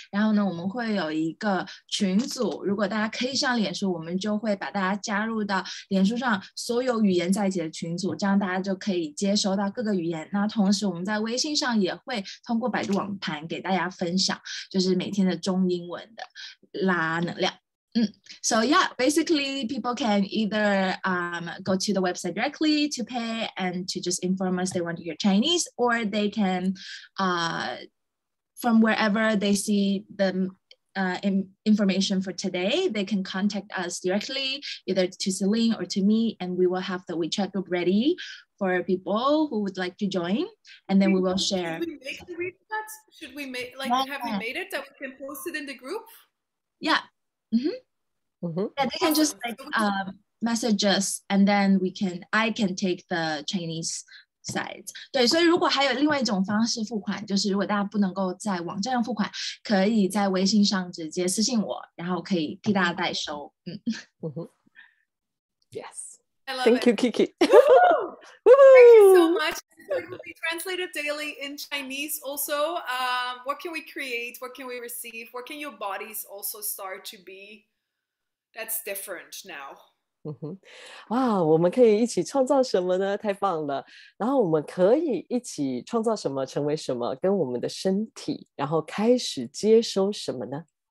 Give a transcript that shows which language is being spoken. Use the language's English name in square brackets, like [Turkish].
[Chinese] 然后呢，我们会有一个群组，如果大家可以上脸书，我们就会把大家加入到脸书上所有语言在一起的群组，这样大家就可以接收到各个语言。那同时我们在微信上也会通过百度网盘给大家分享，就是每天的中英文的拉能量。 [English] So yeah, basically people can either go to the website directly to pay and to just inform us they want to hear Chinese, or they can from wherever they see theminformation for today, they can contact us directly, either to Celine or to me, and we will have the WeChat group ready for people who would like to join, and then we will share. Should we make the WeChat? Should we make, like, yeah, have we made it that we can post it in the group? Yeah. Mm-hmm. Yeah, they can just like message us, and then I can take the Chinese. [Chinese] 对，所以如果还有另外一种方式付款，就是如果大家不能够在网站上付款，可以在微信上直接私信我，然后可以替大家代收。 [English] Yes, thank you, Kiki. Thank you so much. We translate it daily in Chinese. Also, what can we create? What can we receive? What can your bodies also start to be? That's different now. [Chinese] 哇，我们可以一起创造什么呢？太棒了。然后我们可以一起创造什么，成为什么，跟我们的身体，然后开始接收什么呢？